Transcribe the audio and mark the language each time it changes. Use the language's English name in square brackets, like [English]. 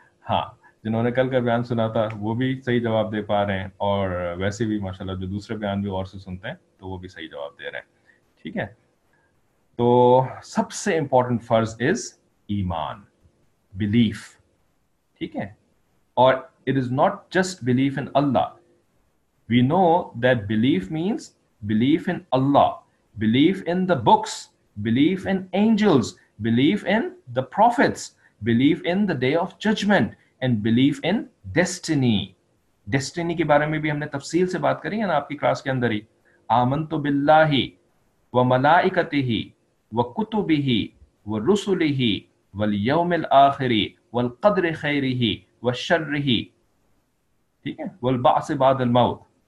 [Urdu] ہاں، جنہوں نے کل کا بیان سنا تھا وہ بھی صحیح جواب دے پا رہے ہیں، اور ویسے بھی ماشاءاللہ جو دوسرے بیان بھی اور سے سنتے ہیں تو وہ بھی صحیح جواب دے رہے ہیں. ٹھیک ہے، تو سب سے امپورٹنٹ فرض [English] Is ایمان، belief. [Urdu] ٹھیک ہے، اور [English] It is not just belief in Allah. We know that belief means belief in Allah, belief in the books, belief in angels, belief in the prophets, belief in the day of judgment, and belief in destiny. [Urdu] Destiny کے بارے میں بھی ہم نے تفصیل سے بات کری ہے نا آپ کی کلاس کے اندر ہی. [Arabic] آمنت باللہ وملائکتہ وکتبہ ورسلہ والیوم الآخر والقدر خیرہ وشرہ، [Urdu] ٹھیک ہے، [Arabic] والبعث بعد الموت.